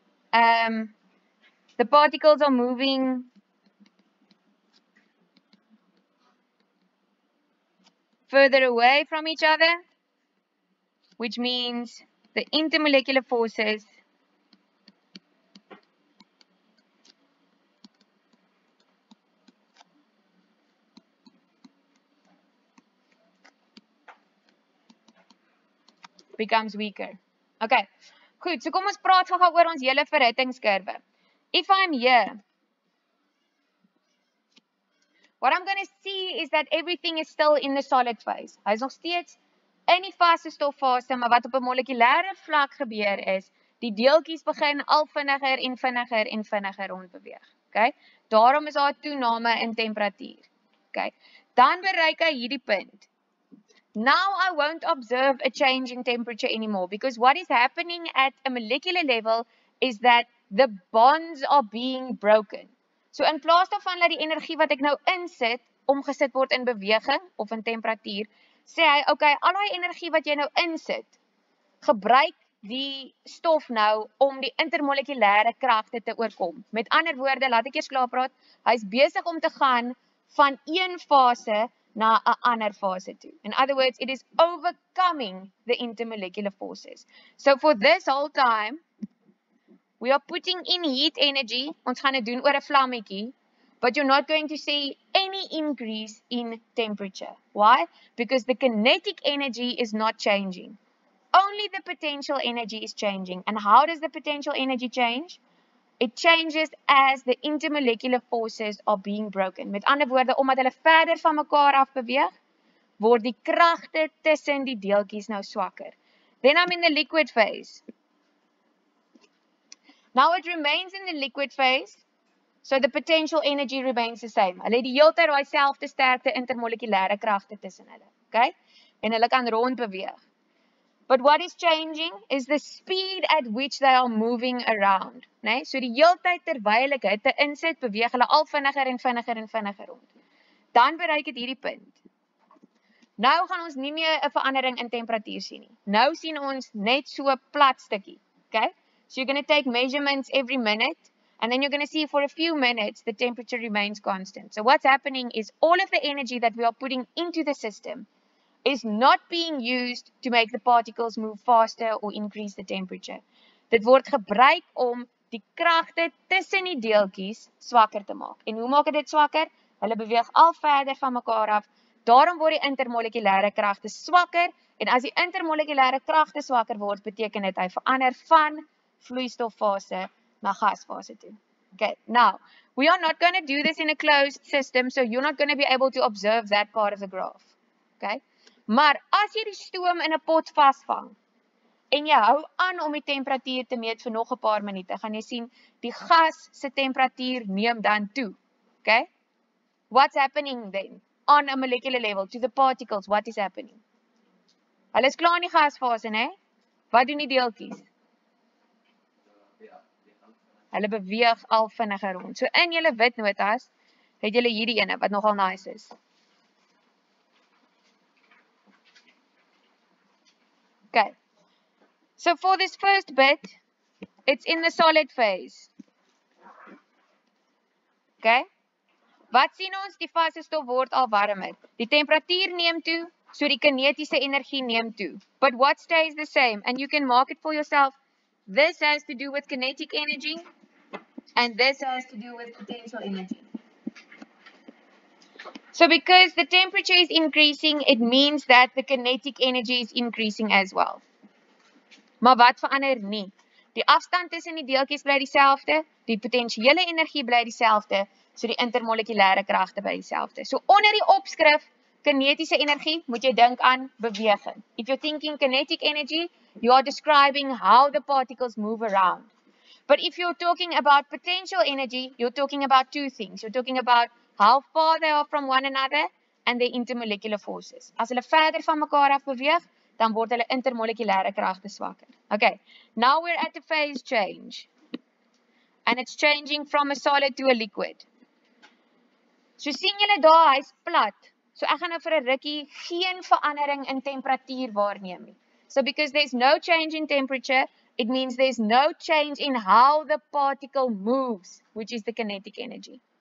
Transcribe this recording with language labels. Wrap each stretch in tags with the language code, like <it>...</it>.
<en>The particles are moving further away from each other, which means the intermolecular forces becomes weaker. Okay.</en> <af>Goed, so kom ons praat gou oor ons hele verhittingskurwe.</af> <en>If I'm here, what I'm going to see is that everything is still in the solid phase.</en> <af>Hy is nog steeds in die vaste stoffase, maar wat op 'n molekulêre vlak gebeur is, die deeltjies begin al vinniger en vinniger en vinniger rondbeweeg. Okay? Daarom is daar 'n toename in temperatuur. Okay? Dan bereik hy hierdie punt.</af> <en>Now I won't observe a change in temperature anymore because what is happening at a molecular level is that the bonds are being broken.</en> <af>So in plaas daarvan dat die energie wat ek nou insit omgesit word in beweging of in temperatuur, sê hy, okay, al daai energie wat jy nou insit, gebruik die stof nou om die intermolekulêre kragte te oorkom. Met ander woorde, laat ek eers klaar praat, hy's besig om te gaan van een fase na 'n ander fase toe.</af> <en>In other words, it is overcoming the intermolecular forces. So for this whole time, we are putting in heat energy,</en> <af>ons gaan dit doen oor 'n vlammetjie,</af> <en>but you're not going to see any increase in temperature. Why? Because the kinetic energy is not changing. Only the potential energy is changing. And how does the potential energy change? It changes as the intermolecular forces are being broken.</en> <af>Met ander woorde, omdat hulle verder van mekaar af beweeg, word die kragte tussen die deeltjies nou swakker.</af> <en>Then I'm in the liquid phase. Now it remains in the liquid phase, so the potential energy remains the same.</en> <af>Hulle het die hele tyd dieselfde sterkte intermolekulêre kragte tussen hulle, okay? En hulle kan rond beweeg.</af> <en>But what is changing is the speed at which they are moving around, né?</en> <af>So die hele tyd terwyl ek hitte insit, beweeg hulle al vinniger en vinniger en vinniger rond. Dan bereik dit hierdie punt. Nou gaan ons nie meer 'n verandering in temperatuur sien nie. Nou sien ons net so 'n plat stukkie, okay?</af> <en>So you're going to take measurements every minute and then you're going to see for a few minutes the temperature remains constant. So what's happening is all of the energy that we are putting into the system is not being used to make the particles move faster or increase the temperature.</en> <af>Dit word gebruik om die kragte tussen die deeltjies swakker te maak. En hoe maak dit swakker? Hulle beweeg al verder van mekaar af. Daarom word die intermolekulêre kragte swakker en as die intermolekulêre kragte swakker word, beteken dit hy verander van vloeistoffase na gasfase toe.</af> <en>Okay, now, we are not going to do this in a closed system, so you're not going to be able to observe that part of the graph. Okay?</en> <af>Maar as jy die stoom in 'n pot vasvang en jy hou aan om die temperatuur te meet vir nog 'n paar minute, gaan jy sien die gas se temperatuur neem dan toe. Okay?</af> <en>What's happening then on a molecular level to the particles? What is happening?</en> <af>Hulle is klaar in die gasfase, né? Wat doen die deeltjies? Hulle beweeg al vinniger rond. So in julle wit notas het julle hierdie ene wat nogal nice is. Okay.</af> <en>So for this first bit, it's in the solid phase.</en> <af>Okay? Wat sien ons? Die vaste stof word al warmer. Die temperatuur neem toe, so die kinetiese energie neem toe.</af> <en>But what stays the same? And you can mark it for yourself. This has to do with kinetic energy. And this has to do with potential energy. So because the temperature is increasing, it means that the kinetic energy is increasing as well.</en> <af>Maar wat verander nie? Die afstand tussen die deeltjies bly dieselfde, die potensiële energie bly dieselfde, so die intermolekulêre kragte bly dieselfde. So onder die opskrif kinetiese energie, moet jy dink aan beweging.</af> <en>If you're thinking kinetic energy, you are describing how the particles move around. But if you're talking about potential energy, you're talking about two things. You're talking about how far they are from one another and their intermolecular forces.</en> <af>As hulle verder van mekaar af beweeg, dan word hulle intermolekulêre kragte swakker.</af> <en>Okay, now we're at the phase change. And it's changing from a solid to a liquid.</en> <af>So sien julle daar, hy's plat. So ek gaan nou vir 'n rukkie geen verandering in temperatuur waarneem nie.</af> <en>So because there's no change in temperature, it means there's no change in how the particle moves, which is the kinetic energy.</en>